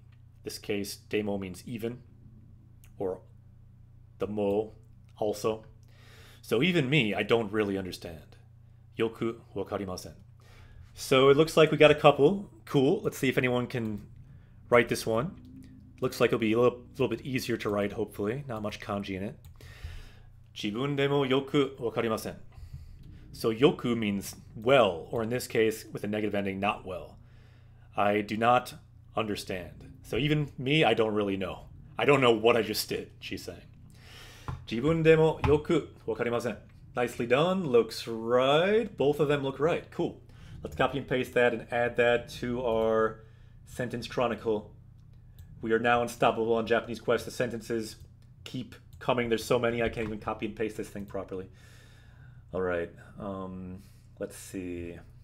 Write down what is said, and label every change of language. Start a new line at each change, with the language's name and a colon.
English: In this case, demo means even. Or the mo, also. So, even me, I don't really understand.
Japanese: Yoku wakarimasen.
English: So it looks like we got a couple. Cool. Let's see if anyone can write this one. Looks like it'll be a little bit easier to write, hopefully. Not much kanji in it.
Japanese: 自分でもよくわかりません.
English: So yoku means well, or in this case, with a negative ending, not well. I do not understand. So even me, I don't really know. I don't know what I just did, she's saying.
Japanese: 自分でもよくわかりません.
English: Nicely done. Looks right. Both of them look right. Cool. Let's copy and paste that and add that to our sentence chronicle. We are now unstoppable on Japanese Quest. The sentences keep coming. There's so many, I can't even copy and paste this thing properly. All right, let's see.